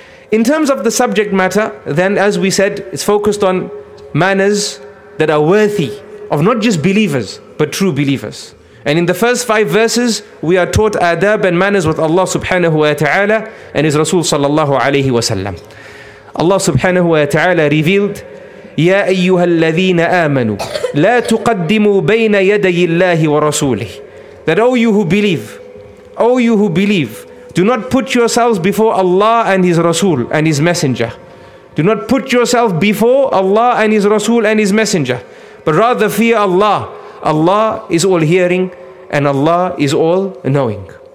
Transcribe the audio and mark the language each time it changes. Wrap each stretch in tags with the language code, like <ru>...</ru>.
<en>In terms of the subject matter, then, as we said, it's focused on manners that are worthy of not just believers, but true believers. And in the first 5 verses, we are taught adab and manners with Allah subhanahu wa ta'ala and His Rasul sallallahu alayhi wa sallam. Allah subhanahu wa ta'ala revealed,</en> <ar>يَا أَيُّهَا الَّذِينَ آمَنُوا لَا تُقَدِّمُوا بَيْنَ يَدَيِ اللَّهِ وَرَسُولِهِ.</ar> <en>That O you who believe, do not put yourselves before Allah and His Rasul and His Messenger. Do not put yourself before Allah and His Rasul and His Messenger, but rather fear Allah. Allah is all hearing and Allah is all knowing.</en>